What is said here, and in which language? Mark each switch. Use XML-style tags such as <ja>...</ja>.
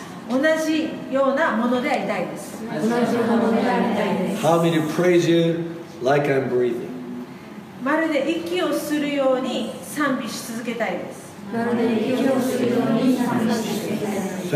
<ja>同じようなものでありたいです。同じようなものでありたいです。</ja> <en>Help me to praise you like I'm breathing.</en> <ja>まるで息をするように賛美し続けたいです。まるで息をするように賛美し続けたいです。</ja>